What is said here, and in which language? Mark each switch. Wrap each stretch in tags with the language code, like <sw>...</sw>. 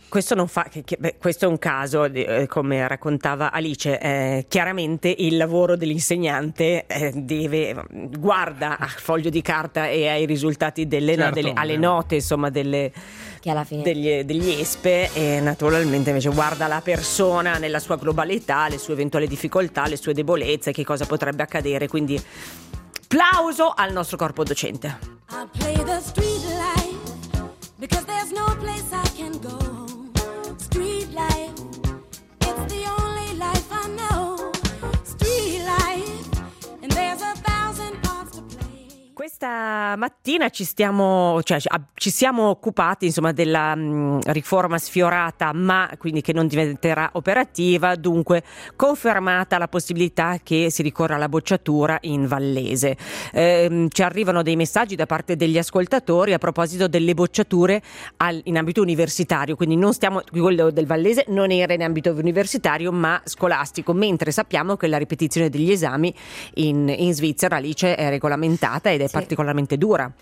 <it>Questo non fa questo è un caso, come raccontava Alice, chiaramente il lavoro dell'insegnante guarda al foglio di carta e ai risultati alle note, insomma, degli ESPE, e naturalmente invece guarda la persona nella sua globalità, le sue eventuali difficoltà, le sue debolezze, che cosa potrebbe accadere. Quindi plauso al nostro corpo docente.</it> <en>I play the street life because there's no place I can go. Street life, it's the only life I know. Street life, and there's a thousand.</en> <it>Questa mattina ci siamo occupati, insomma, della riforma sfiorata, ma quindi che non diventerà operativa, dunque confermata la possibilità che si ricorra alla bocciatura in Vallese. Ci arrivano dei messaggi da parte degli ascoltatori a proposito delle bocciature in ambito universitario, quindi non stiamo, quello del Vallese non era in ambito universitario ma scolastico, mentre sappiamo che la ripetizione degli esami in Svizzera lì c'è, è regolamentata ed è particolarmente dura.</it>